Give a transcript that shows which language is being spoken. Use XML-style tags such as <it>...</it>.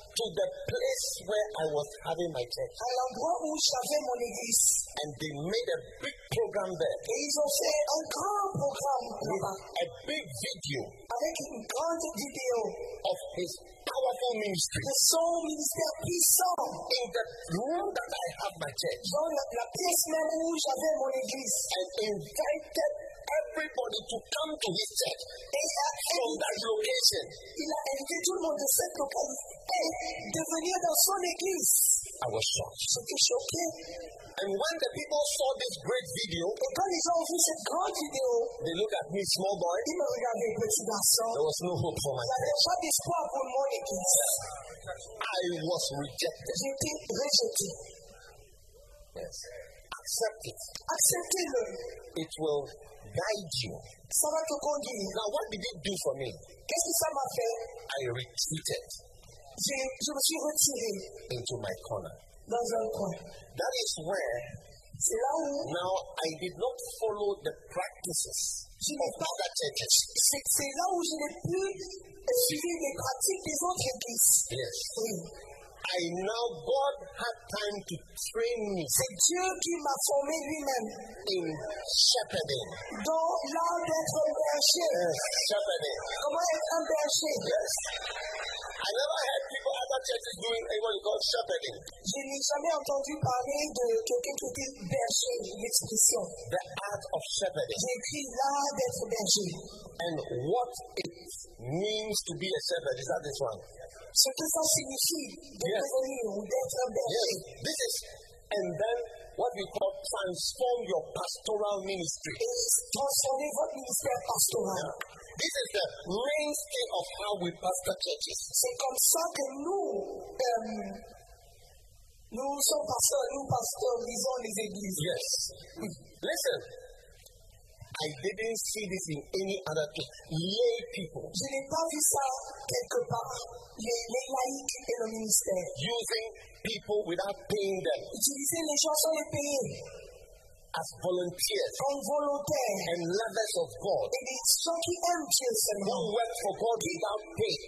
<en>To the place where I was having my church.</en> <fr>À l'endroit où j'avais mon église.</fr> <en>And they made a big program there.</en> <fr>Et ils ont fait un grand programme là-bas.</fr> <en>A big video.</en> <fr>Avec une grande vidéo.</fr> <en>Of his powerful ministry.</en> <fr>De son ministère puissant.</fr> <en>In the room that I have my church.</en> <fr>Dans la pièce même où j'avais mon église.</fr> <en>And invited everybody to come to his tent from that location.</en> <fr>Il a invité tout le monde de cette propre de venir dans son église.</fr> <en>I was shocked. So it's shocking. And when the people saw this great video, they look at me, small boy. There was no hope for my life. I was rejected. Rejected. Yes. Accept it. Accept it. It will guide you.</en> <fr>Ça va te conduire.</fr> <en>Now, what did it do for me?</en> <fr>Qu'est-ce que ça m'a fait?</fr> <en>I retreated.</en> <fr>Je me suis retiré</fr> <en>into my corner.</en> <fr>Dans un coin.</fr> <en>That is where.</en> <fr>C'est là où.</fr> <en>Now I did not follow the practices of other churches.</en> <fr>C'est là où je n'ai plus suivi les pratiques des autres églises.</fr> <en>Yes. I now God had time to train me.</en> <fr>C'est Dieu qui m'a formé lui-même.</fr> <en>In shepherding.</en> <fr>Dans l'art d'être un berger.</fr> <en>Yes. Shepherding.</en> <fr>Comment être un berger?</fr> <en>Yes. I never heard people at that church doing what you call shepherding.</en> <fr>Je n'ai jamais entendu parler de quelqu'un qui dit berger, l'expression.</fr> <en>The art of shepherding.</en> <fr>J'ai écrit l'art d'être berger.</fr> <en>And what it means to be a shepherd, is that this one?</en> <fr>Ce que ça signifie de devenir ou d'être un berger.</fr> <en>Yes. This is, and then what we call transform your pastoral ministry.</en> <fr>Transformer votre ministère pastoral. Yeah.</fr> <en>This is the mainstay of how we pastor churches.</en> <fr>C'est comme ça que nous sommes pasteurs, nous pastorisons les églises.</fr> <en>Yes. Listen, I didn't see this in any other church. Lay people.</en> <fr>Je n'ai pas vu ça quelque part. Les laïcs et le ministère.</fr> <en>Using people without paying them.</en> <fr>Utiliser les gens sans les payer.</fr> <en>As volunteers, and lovers of God, who work for God without pay.</en>